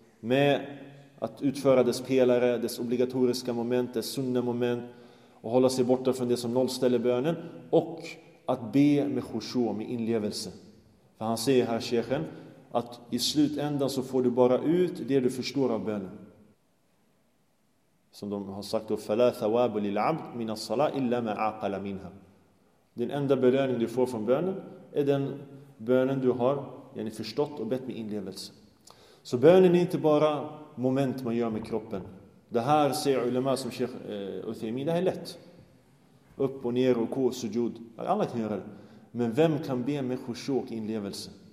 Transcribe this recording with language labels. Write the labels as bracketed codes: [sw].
[sv] Med att utföra dess pelare, dess obligatoriska moment, dess sunna moment och hålla sig borta från det som nollställer bönen och att be med khushu, med inlevelse. För han säger här, shejken, att i slutändan så får du bara ut det du förstår av bönen. Som de har sagt, [ar] فَلَا ثَوَابُ لِلْعَبْدْ مِنَ الصَّلَىٰ إِلَّا مَا عَقَلَ مِنْهَا. [sv] Den enda belöning du får från bönen är den bönen du har yani förstått och bett med inlevelse. Så bönen är inte bara moment man gör med kroppen. Det här säger ulema som Sheikh Uthaymin, det här är lätt. Upp och ner och kås och jod. Alla kan göra det. Men vem kan be med khushu och inlevelse?